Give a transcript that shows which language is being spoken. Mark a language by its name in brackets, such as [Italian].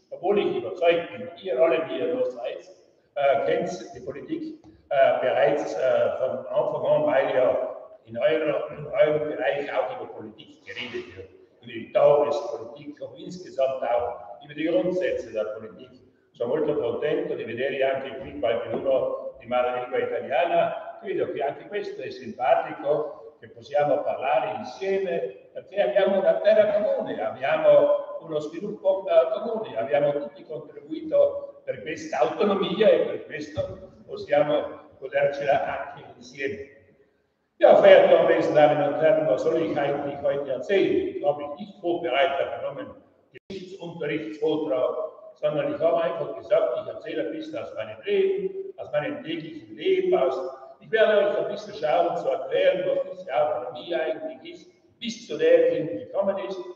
[German] Obwohl ich überzeugt bin, ihr alle, die ihr da seid, kennt die Politik bereits von Anfang an, weil ja in eurem Bereich auch über Politik geredet wird. Über die Dauer der Politik und insgesamt auch über die Grundsätze der Politik. [Italian] Sono molto contento di vedere anche qui qualcuno di madrelingua italiana. Credo che anche questo è simpatico, che possiamo parlare insieme, perché abbiamo una terra comune, abbiamo uno sviluppo comune, abbiamo tutti contribuito per questa autonomia e per questo possiamo godercela anche insieme. [German] Ja, verehrte Anwesende, Damen und Herren, was soll ich eigentlich heute erzählen? Ich habe mich nicht vorbereitet genommen, Geschichtsunterrichtsvortrag, sondern ich habe einfach gesagt, ich erzähle ein bisschen aus meinem Leben, aus meinem täglichen Leben aus. Ich werde euch ein bisschen schauen, zu erklären, was diese Autonomie eigentlich ist, bis zu der hin gekommen ist.